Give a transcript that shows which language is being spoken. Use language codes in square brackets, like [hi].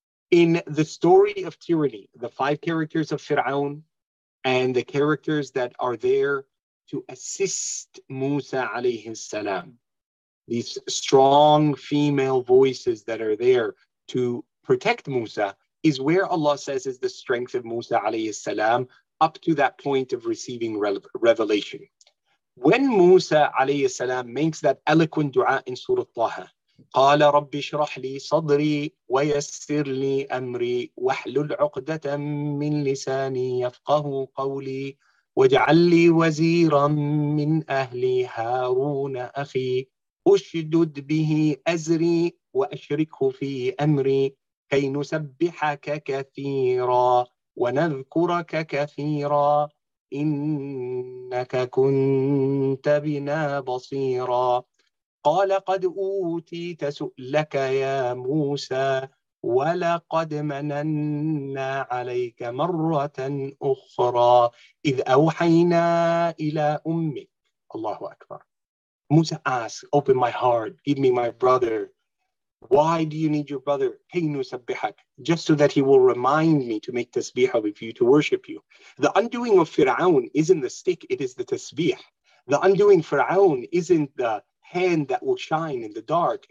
[en] In the story of tyranny, the five characters of Fir'aun and the characters that are there to assist Musa alayhi salam, these strong female voices that are there to protect Musa, is where Allah says is the strength of Musa alayhi salam up to that point of receiving revelation. When Musa alayhi salam makes that eloquent dua in Surah Taha, [ar] قَالَ رَبِّ شْرَحْ لِي صَدْرِي وَيَسِّرْ لِي أَمْرِي وَحْلُلْ عُقْدَةً مِّنْ لِسَانِي يَفْقَهُ قَوْلِي وَاجْعَلْ لِي وَزِيرًا مِّنْ أَهْلِي هَارُونَ أَخِي أُشْدُدْ بِهِ أَزْرِي وَأَشْرِكْهُ فِي أَمْرِي كَيْ نُسَبِّحَكَ كَثِيرًا وَنَذْكُرَكَ كَثِيرًا إِنَّكَ كُنْتَ بِنَا بَصِيرًا قال قد أوتيت سؤلك يا موسى ولقد مننا عليك مرة أخرى إذ أوحينا إلى أمك. الله أكبر. [en] موسى asks, open my heart, give me my brother. Why do you need your brother? Hey, نسبحك. Just so that he will remind me to make tasbih of you, to worship you. The undoing of Fir'aun isn't the stick, it is the tasbih. The undoing Fir'aun isn't the hand that will shine in the dark.